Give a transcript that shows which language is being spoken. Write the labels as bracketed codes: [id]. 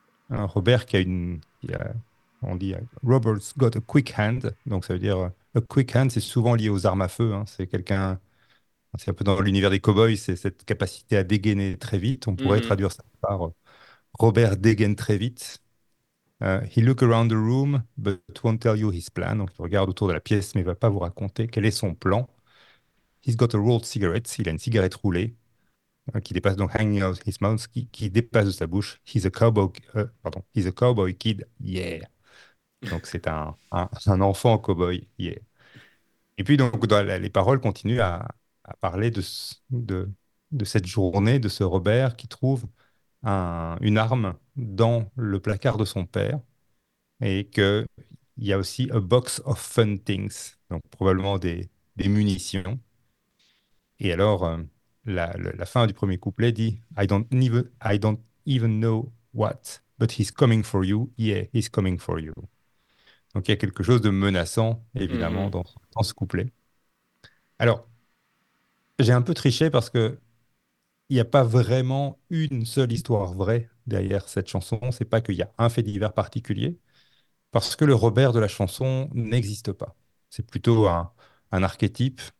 [fr] Un Robert qui a une. Qui a, on dit [en] Robert's got a quick hand. [fr] Donc, ça veut dire. [en] A quick hand, [fr] c'est souvent lié aux armes à feu. Hein, c'est quelqu'un. C'est un peu dans l'univers des cow-boys, c'est cette capacité à dégainer très vite. On pourrait traduire ça par Robert dégaine très vite. [en] He look around the room, but won't tell you his plan. [fr] Donc il regarde autour de la pièce, mais ne va pas vous raconter quel est son plan. [en] He's got a rolled cigarette. [fr] Il a une cigarette roulée qui dépasse donc [en] hanging out his mouth, [fr] qui dépasse de sa bouche. [en] He's a cowboy kid. Yeah. [fr] Donc c'est un enfant cow-boy. Yeah. Et puis donc les paroles continuent à parler de cette journée, de ce Robert qui trouve une arme dans le placard de son père et qu'il y a aussi [en] a box of fun things, [fr] donc probablement des munitions. Et alors, la fin du premier couplet dit [en] I don't even know what, but he's coming for you. Yeah, he's coming for you. [fr] Donc il y a quelque chose de menaçant, évidemment, dans ce couplet. Alors, j'ai un peu triché parce que il n'y a pas vraiment une seule histoire vraie derrière cette chanson. C'est pas qu'il y a un fait divers particulier, parce que le Robert de la chanson n'existe pas. C'est plutôt un archétype